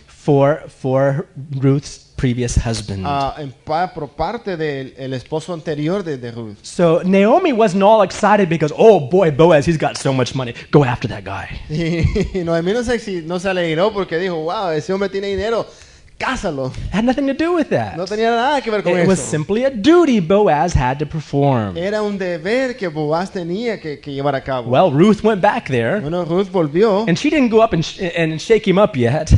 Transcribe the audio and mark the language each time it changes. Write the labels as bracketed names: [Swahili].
[English] for Ruth's previous husband. [Spanish] Por parte del esposo anterior de Ruth. [English] So Naomi wasn't all excited because, oh boy, Boaz, he's got so much money. Go after that guy. [Spanish] Y Naomi no se alegró porque dijo, wow, ese hombre tiene dinero. Cásalo. [English] Had nothing to do with that. [Spanish] No tenía nada que ver con [English] it [Spanish] eso. [English] Was simply a duty Boaz had to perform. [Spanish] Era un deber que Boaz tenía que llevar a cabo. [English] Well, Ruth went back there. [Spanish] Bueno, Ruth volvió. [English] And she didn't go up and shake him up yet.